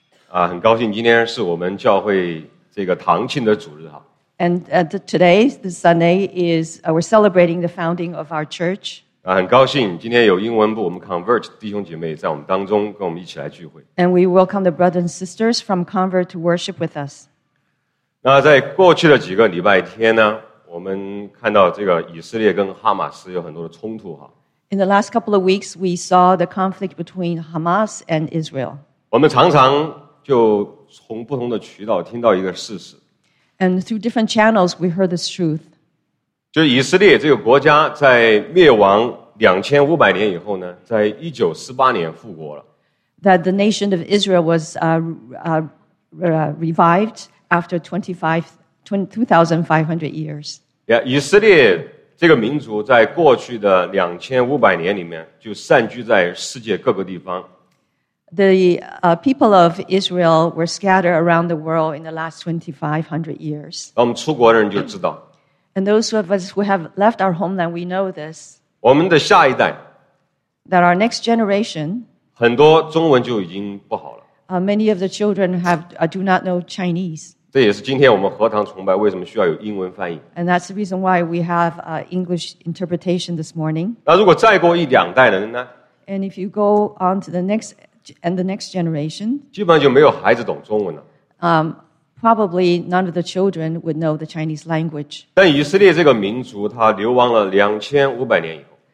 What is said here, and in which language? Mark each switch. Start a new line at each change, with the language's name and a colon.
Chinese: 啊，很高兴今天是我们教会这个堂庆的主日哈。
English: And today, this Sunday is we're celebrating the founding of our church.
Chinese: 啊，很高兴今天有英文部我们 Convert 弟兄姐妹在我们当中跟我们一起来聚会。
English: And we welcome the brothers and sisters from Convert to worship with us.
Chinese: 那在过去的几个礼拜天呢，我们看到这个以色列跟哈马斯有很多的冲突哈。
English: In the last couple of weeks, we saw the conflict between Hamas and Israel.
Chinese: 我们常常就从不同的渠道听到一个事实。
English: And through different channels, we heard this truth.
Chinese: 就以色列这个国家在灭亡2500年以后呢，在1948年复国了。
English: That the nation of Israel was revived after 2,500 years.
Chinese: Yeah, 以色列这个民族在过去的2500年里面就散居在世界各个地方。
English: The people of Israel were scattered around the world in the last 2,500 years.
Chinese: 我们出国人就知道。
English: And those of us who have left our homeland, we know this.
Chinese: 我们的下一代
English: that our next generation,
Chinese: 很多中文就已经不好了。
English: Many of the children have, do not know Chinese.
Chinese: 这也是今天我们合堂崇拜为什么需要有英文翻译。
English: And that's the reason why we have English interpretation this morning.
Chinese: 那如果再过一两代人呢？
English: And if you go on to the next and the next generation,
Chinese: 基本上就没有孩子懂中文了。
English: Probably none of the children would know the Chinese language.
Chinese: 但以色列这个民族，他流亡了2500年以后。